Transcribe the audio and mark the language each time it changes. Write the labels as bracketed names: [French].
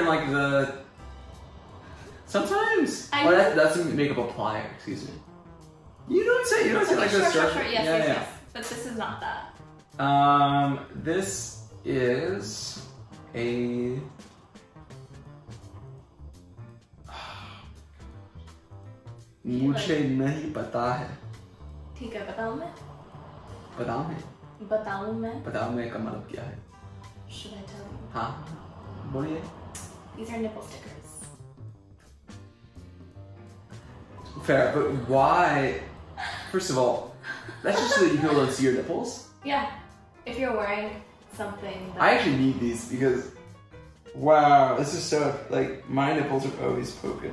[English] in like the... Sometimes. That's a makeup applier. Excuse me. You know what I'm saying? You know what I'm saying? like sure, sure, sure. Yes. But this is not that. This is a... [Hindi] मुझे नहीं पता है। Theek hai, batao main? बताओ मैं? Batao main? बताओ मैं का मतलब क्या है? [English] Should I tell you? [Hindi] Haan. Boliye. [English] These are nipple stickers. Fair, but why? First of all, that's just so that you can go and see your nipples? Yeah. If you're wearing something that... I actually need these because, wow, this is so, like, my nipples are always poking.